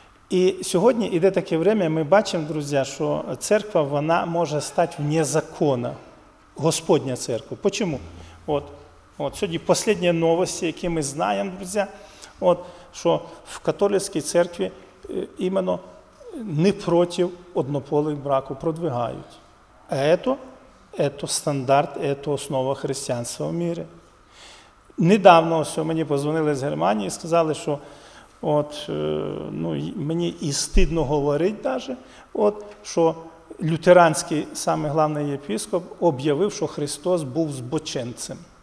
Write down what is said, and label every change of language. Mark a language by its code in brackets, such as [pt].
[uk] І сьогодні йде [ru] таке время, [uk] ми бачимо, друзі, що церква, вона може стати [ru] вне закону. [uk] Господня церква. Почому? От, сьогодні останні новості, які ми знаємо, друзі, от, що в католицькій церкві іменно не проти однополих браку продвигають. А це... [ru] Это стандарт, это основа християнства в мире. [uk] Недавно ось мені позвонили з Германії і сказали, що от, ну, мені і стидно говорити навіть, що лютеранський, саме головний єпископ, об'явив, що Христос був збоченцем.